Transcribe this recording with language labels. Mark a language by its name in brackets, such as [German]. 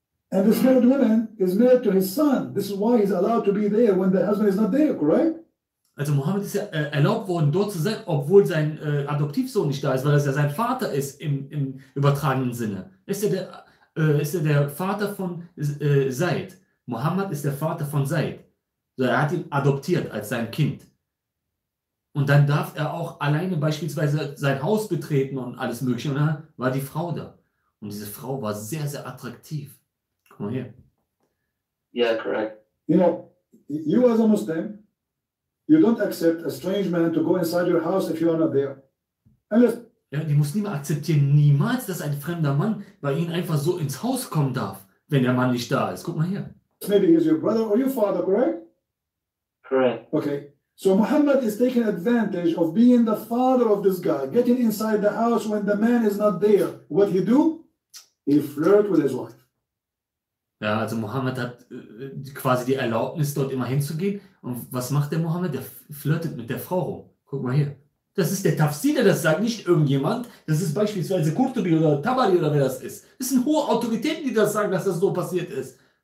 [English] And this married woman is married to his son. This is why he's allowed to be there when the husband is not there, correct? [German] Also Mohammed ist ja erlaubt worden, dort zu sein, obwohl sein Adoptivsohn nicht da ist, weil das ja sein Vater ist im übertragenen Sinne. Ist er der Vater von Zaid? Mohammed ist der Vater von Zaid. So, er hat ihn adoptiert als sein Kind. Und dann darf er auch alleine beispielsweise sein Haus betreten und alles Mögliche. Und dann war die Frau da. Und diese Frau war sehr, sehr attraktiv. Guck mal hier. [English] Yeah, correct. You know, you as a Muslim, you don't accept a strange man to go inside your house if you are not there. Unless... [German] Ja, die Muslime akzeptieren niemals, dass ein fremder Mann bei ihnen einfach so ins Haus kommen darf, wenn der Mann nicht da ist. Guck mal hier. [English] Maybe he's your brother or your father, correct? Correct. Okay. So Muhammad is taking advantage of being the father of this guy, getting inside the house when the man is not there. What he do? He flirt with his wife. [German] Ja, also Muhammad hat quasi die Erlaubnis, dort immer hinzugehen. Und was macht der Muhammad? Der flirtet mit der Frau rum. Guck mal hier. Das ist der Tafsir, der das sagt, nicht irgendjemand. Das ist beispielsweise Qurtubi oder Tabari oder wer das ist. Das sind hohe Autoritäten, die das sagen, dass das so passiert ist.